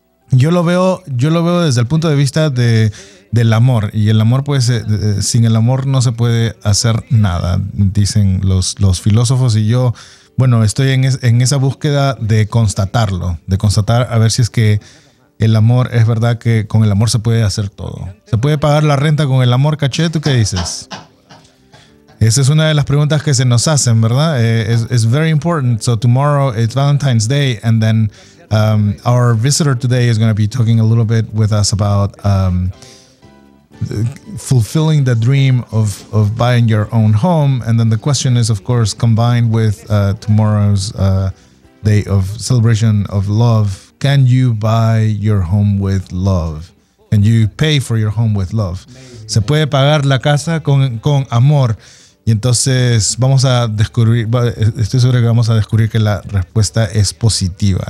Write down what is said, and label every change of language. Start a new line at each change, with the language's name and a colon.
Spanish: Yo lo veo desde el punto de vista del amor, y el amor, pues, sin el amor no se puede hacer nada, dicen los filósofos, y yo, bueno, estoy en esa búsqueda de constatarlo, de constatar a ver si es que el amor es verdad, que con el amor se puede hacer todo. ¿Se puede pagar la renta con el amor, Caché? ¿Tú qué dices? Esa es una de las preguntas que se nos hacen, ¿verdad?
English: It's very important. So tomorrow it's Valentine's Day, and then our visitor today is going to be talking a little bit with us about fulfilling the dream of buying your own home. And then the question is, of course, combined with tomorrow's day of celebration of love, can you buy your home with love? Can you pay for your home with love? Maybe.
Spanish: ¿Se puede pagar la casa con amor? Y entonces vamos a descubrir, estoy seguro que vamos a descubrir que la respuesta es positiva.